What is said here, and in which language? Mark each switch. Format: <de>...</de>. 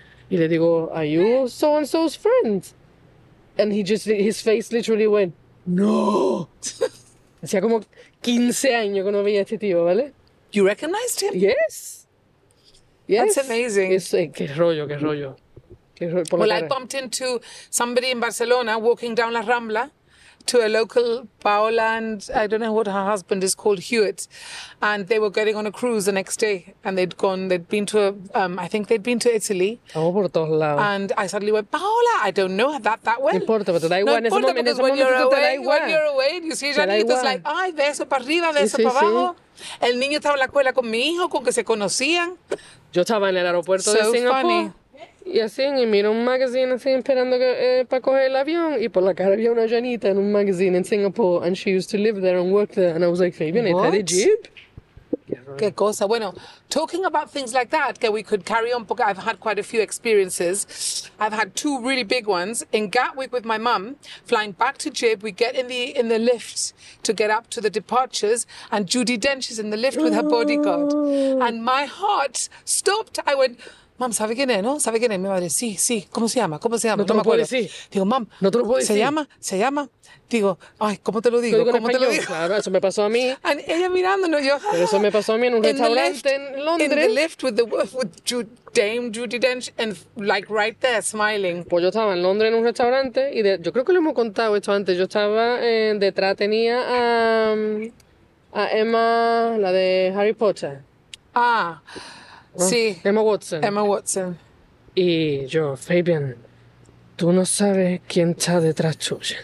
<es>Y le digo,</es> <en>are you so and so's friend? And he just, his face literally went. No!</en> <es>Hacía como 15 años que no veía este tío, ¿vale?</es> <en>You recognized him? Yes! Yes! That's amazing.</en> <es>Qué rollo, qué rollo. Qué rollo</es> <en>well, I bumped into somebody in Barcelona walking down La Rambla, to a local powerland. I don't know what her husband is called, Hewitt. And they were getting on a cruise the next day. And they'd gone, they'd been to, I think they'd been to Italy.</en> <es>Oh, por todos lados.</es> <en>And I suddenly went, Paola, I don't know that that well.</en> <es>No importa, pero te da igual. No importa,</es> <en>because when you're away, when you're away, you see Janito's like,</en> <es>ay, beso para arriba, beso para abajo. El niño estaba en la escuela con mi hijo, con que se conocían. Yo estaba en el aeropuerto de Singapur. Y así, y miro un magazine así esperando para coger el avión. Y por la cara había una Janita en un magazine en Singapore.</es> <en>And she used to live there and work there. And I was like, Fabian, is that a jeep?</en> <es>Qué cosa. Bueno,</es> <en>talking about things like that,</en> <es>que</es> <en>we could carry on,</en> <es>porque</es> <en>I've had quite a few experiences. I've had two really big ones. In Gatwick with my mum, flying back to Jib, we get in the lift to get up to the departures, and Judi Dench is in the lift with her bodyguard. And my heart stopped. I went...</en> <es>Mam, ¿sabe quién es, no? ¿Sabe quién es? Mi madre, sí, sí. ¿Cómo se llama? ¿Cómo se llama? No te lo puedo decir. Digo, mam, no te lo puedo decir. ¿Se llama? Digo, ay, ¿cómo te lo digo? ¿Cómo te lo digo? Claro, eso me pasó a mí.</es> <en>And</en> <es>ella mirándonos, yo... Pero eso me pasó a mí en un restaurante en Londres.</es> <en>In the lift with Dame Judi Dench, and like right there, smiling.</en> <es>Pues yo estaba en Londres en un restaurante, y yo creo que le hemos contado esto antes. Yo estaba detrás, tenía a Emma, la de Harry Potter. Ah... ¿no? Sí. Emma Watson. Y yo, Fabian, tú no sabes quién está detrás tuya.</es>